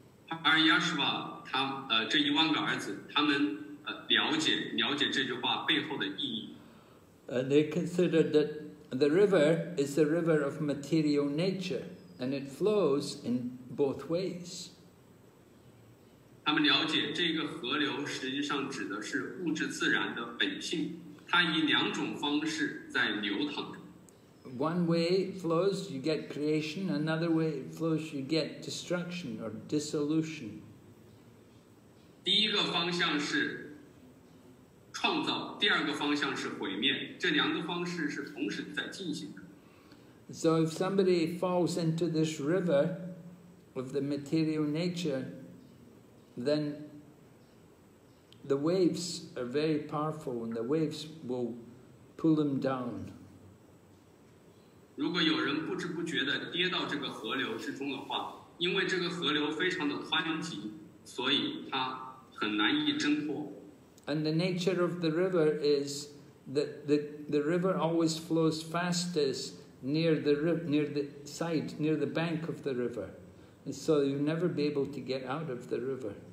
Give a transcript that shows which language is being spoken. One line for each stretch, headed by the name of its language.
Chinese: Haryashva, 他这一万个儿子，他们了解这句话背后的意义。
English: And they considered that the river is the river of material nature, and it flows in both ways.
Chinese: 他们了解这个河流实际上指的是物质自然的本性，它以两种方式在流淌着。
English: One way flows, you get creation. Another way flows, you get destruction or dissolution.
Chinese: 第一个方向是。创造，第二个方向是毁灭，这两个方式是同时在进行的。
English: So if somebody falls into this river of the material nature, then the waves are very powerful and the waves will pull them down.
Chinese: 如果有人不知不觉地跌到这个河流之中的话，因为这个河流非常的湍急，所以它很难以挣脱。
English: And the nature of the river is that the river always flows fastest near the bank of the river. And so you'll never be able to get out of the river.